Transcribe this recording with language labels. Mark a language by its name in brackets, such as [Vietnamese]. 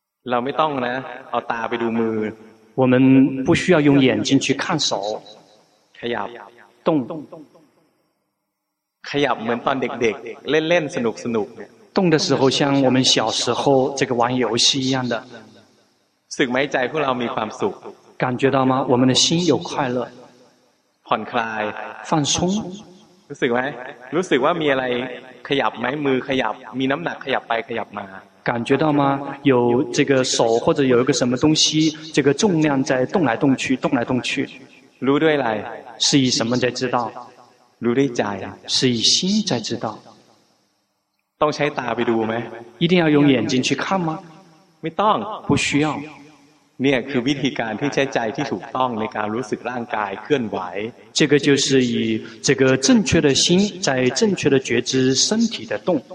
[Thai] เราไม่ต้องนะเอาตาไปดูมือ [Chinese] 我们不需要用眼睛去看手 [Thai] ขยับ [Chinese] 动 [Thai] ขยับเหมือนตอนเด็กๆเล่นๆสนุกสนุก [Chinese] 动的时候像我们小时候这个玩游戏一样的 [Thai] สึกไหมใจพวกเรามีความสุข [Chinese] 感觉到吗我们的心有快乐 [Thai] ผ่อนคลาย [Chinese] 放松 [Thai] รู้สึกไหมรู้สึกว่ามีอะไรขยับไหมมือขยับมีน้ำหนักขยับไปขยับมา [Chinese] 感觉到吗有这个手或者有一个什么东西这个重量在动来动去动来动去 [Thai] รู้ด้วยอะไร [Chinese] 是以什么在知道 [Thai] รู้ด้วยใจ [Chinese] 是以心在知道 [Thai] ต้องใช้ตาไปดูไหม [Chinese] 一定要用眼睛去看吗 [Thai] ไม่ต้อง [Chinese] 不需要 [Thai] เนี่ยคือวิธีการที่ใช้ใจที่ถูกต้องในการรู้สึกร่างกายเคลื่อนไหว [Chinese] 这个就是以这个正确的心在正确的觉知身体的动